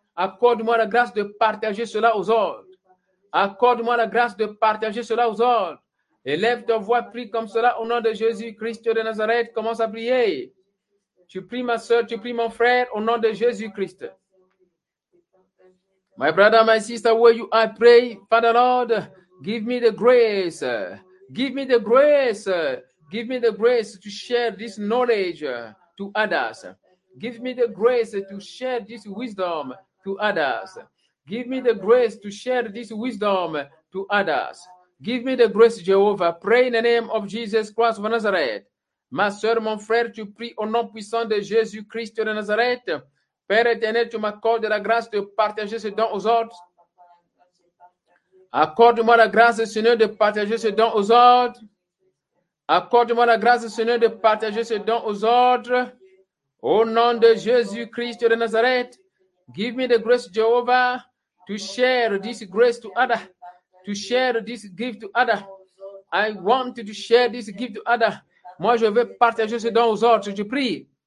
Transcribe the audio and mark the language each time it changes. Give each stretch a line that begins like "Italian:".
French: Accorde-moi la grâce de partager cela aux autres. Accorde-moi la grâce de partager cela aux autres. Élève ta voix, prie comme cela au nom de Jésus-Christ de Nazareth. Commence à prier. Tu pries ma soeur, tu pries mon frère au nom de Jésus-Christ.
English: My brother, my sister, where you are, pray, Father Lord, give me the grace. Give me the grace. Give me the grace to share this knowledge to others. Give me the grace to share this wisdom to others. Give me the grace to share this wisdom to others. Give me the grace, Jehovah. Pray in the name of Jesus Christ of Nazareth.
French: Ma soeur, mon frère, tu pries au nom puissant de Jésus Christ de Nazareth. Père éternel, tu m'accordes la grâce de partager ce don aux autres. Accorde-moi la grâce, Seigneur, de partager ce don aux autres. Accorde-moi la grâce, Seigneur, de partager ce don aux autres. Au nom de Jésus Christ de Nazareth.
English: Give me the grace, Jehovah, to share this grace to others, to share this gift to others. I want to share this gift to others.
French: Moi, je veux partager ce don aux autres, je prie.